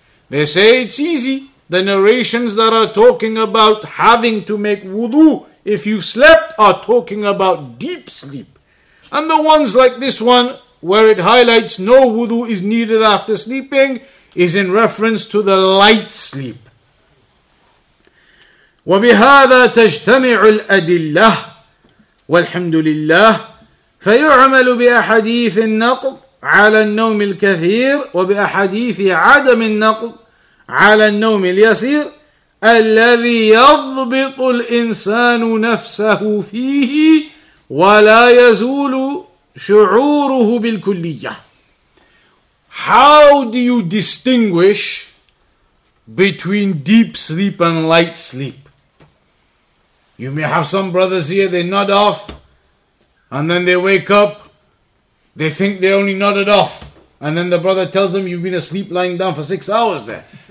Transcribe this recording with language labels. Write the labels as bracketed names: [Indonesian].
[English] They say it's easy. The narrations that are talking about having to make wudu if you've slept are talking about deep sleep. And the ones like this one, where it highlights no wudu is needed after sleeping, is in reference to the light sleep. [Arabic] وَبِهَذَا تَجْتَمِعُ الْأَدِلَّةِ والحمد لله فيعمل بأحاديث النقض على النوم الكثير وبأحاديث عدم النقض على النوم اليسير الذي يضبط الإنسان نفسه فيه ولا يزول شعوره بالكلية. [English] How do you distinguish between deep sleep and light sleep? You may have some brothers here, they nod off, and then they wake up, they think they only nodded off, and then the brother tells them, you've been asleep lying down for 6 hours there.